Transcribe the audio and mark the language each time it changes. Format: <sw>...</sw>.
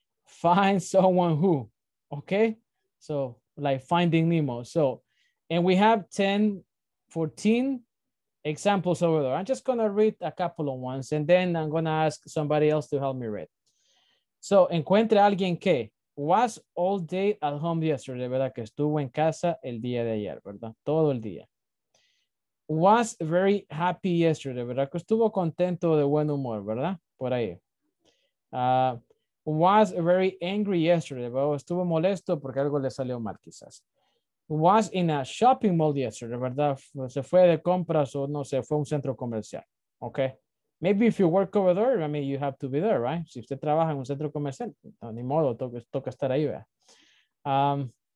<en>Find Someone Who. Okay? So, like Finding Nemo. So, and we have 10, 14 examples over there. I'm just going to read a couple of ones, and then I'm going to ask somebody else to help me read. So,</en> <es>Encuentre a alguien que.</es> <en>Was all day at home yesterday, ¿verdad?</en> <es>Que estuvo en casa el día de ayer, ¿verdad? Todo el día.</es> <en>Was very happy yesterday, ¿verdad?</en> <es>Que estuvo contento, de buen humor, ¿verdad? Por ahí.</es> <en>Was very angry yesterday,</en> <es>¿verdad? Estuvo molesto porque algo le salió mal, quizás.</es> <en>Was in a shopping mall yesterday,</en> <es>¿verdad? Se fue de compras o no sé, fue a un centro comercial.</es> <en>Okay. Maybe if you work over there, I mean, you have to be there, right?</en> <es>Si usted trabaja en un centro comercial, no, ni modo, toca estar ahí, ¿verdad?</es>